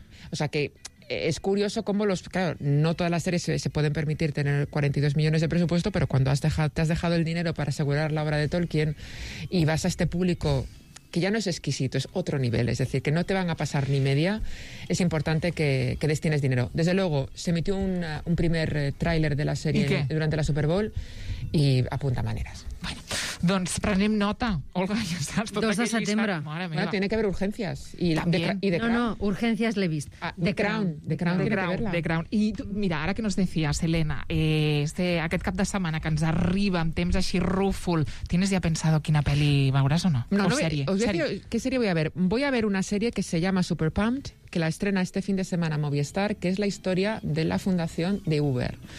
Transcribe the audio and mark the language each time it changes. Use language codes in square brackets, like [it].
[es] O sea que es curioso cómo no todas las series se pueden permitir tener 42 millones de presupuesto, pero cuando te has dejado el dinero para asegurar la obra de Tolkien y vas a este público que ya no es exquisito, es otro nivel, es decir, que no te van a pasar ni media, es importante que destines dinero. Desde luego, se emitió un primer tráiler de la serie durante la Super Bowl y apunta maneras. [ca] Bueno, doncs prenem nota, Olga, ja saps. 2 de setembre. [es] Bueno, tiene que haber urgencias. [ca] Urgencias l'he vist. The Crown. I tu, mira, ara que [es] nos decías, [ca] Helena, aquest cap de setmana que ens arriba amb temps així rúfol, [es] ¿tienes ya pensado [ca] quina peli veuràs o no? [es] ¿Qué serie voy a ver? Voy a ver una serie que se llama Super Pumped, que la estrena este fin de semana Movistar, que es la historia de la fundación de Uber.